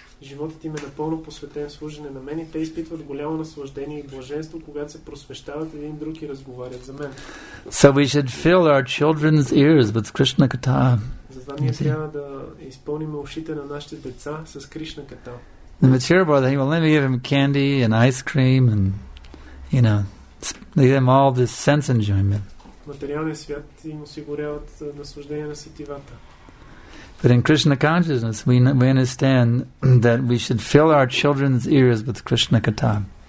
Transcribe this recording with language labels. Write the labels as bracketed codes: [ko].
[bg] Животът им е напълно посветен служене на мен и те изпитват голямо наслаждение и блаженство, когато се просвещават един друг и разговарят за мен. [en] So we should fill our children's ears with Krishna Katha. [bg] Затова ние трябва да изпълним ушите на нашите деца с Кришна Ката. [en] The material brother, he will let me give him candy and ice cream and, you know, give him all this sense enjoyment. [bg] Материалният свят им осигуряват наслаждение на сетивата. [en] But in Krishna consciousness, we understand that we should fill our children's ears with Krishna Katha.